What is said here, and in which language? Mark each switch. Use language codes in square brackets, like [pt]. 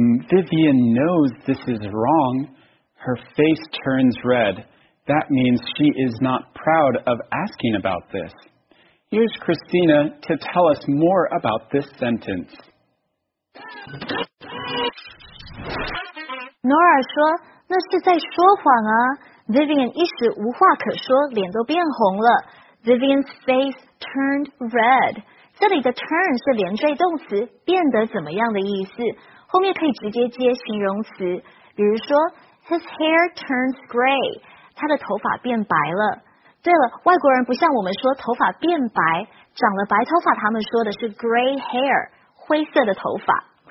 [en] Vivian knows this is wrong. Her face turns red. That means she is not proud of asking about this. Here's Christina to tell us more about this sentence. [zh] Nora 说，那是在说谎啊。Vivian 一时无话可说，脸都变红了。 [en] Vivian's face turned red. [zh] 这里的 turn 是连缀动词，变得怎么样的意思？后面可以直接接形容词，比如说 ， [en] his hair turns gray. [zh] 他的头发变白了。对了，外国人不像我们说头发变白，长了白头发，他们说的是 gray hair， 灰色的头发。